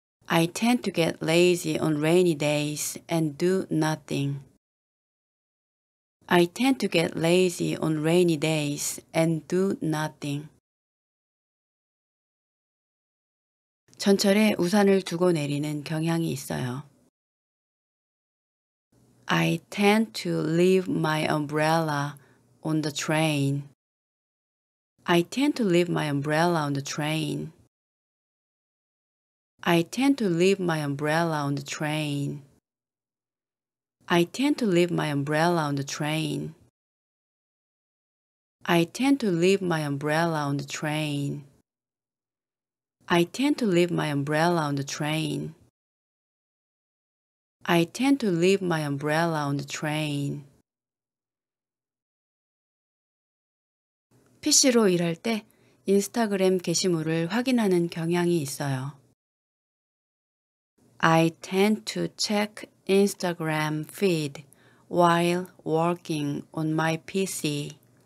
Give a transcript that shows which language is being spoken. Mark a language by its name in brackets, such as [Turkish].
[English] I tend to get lazy on rainy days and do nothing. I tend to get lazy on rainy days and do nothing. [Korean] 전철에 우산을 두고 내리는 경향이 있어요. [English] I tend to leave my umbrella on the train. I tend to leave my umbrella on the train. I tend to leave my umbrella on the train. I tend to leave my umbrella on the train. I tend to leave my umbrella on the train. I tend to leave my umbrella on the train. I tend to leave my umbrella on the train. [Korean] PC로 일할 때 인스타그램 게시물을 확인하는 경향이 있어요. [English] I tend to check Instagram feed while working on my PC.